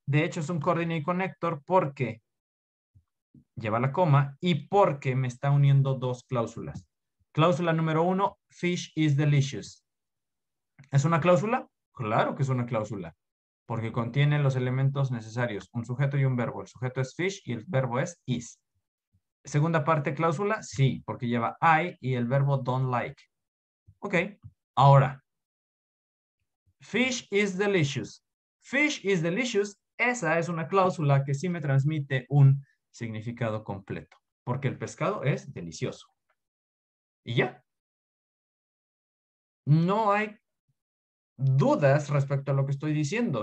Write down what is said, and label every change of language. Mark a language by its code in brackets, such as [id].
[es] De hecho, es un coordinate connector porque lleva la coma y porque me está uniendo dos cláusulas. Cláusula número uno, fish is delicious. ¿Es una cláusula? Claro que es una cláusula. Porque contiene los elementos necesarios. Un sujeto y un verbo. El sujeto es fish y el verbo es is. Segunda parte, cláusula, sí, porque lleva I y el verbo don't like. [en] Ok, ahora, fish is delicious. Fish is delicious, [es] esa es una cláusula que sí me transmite un significado completo, porque el pescado es delicioso. Y ya. No hay dudas respecto a lo que estoy diciendo.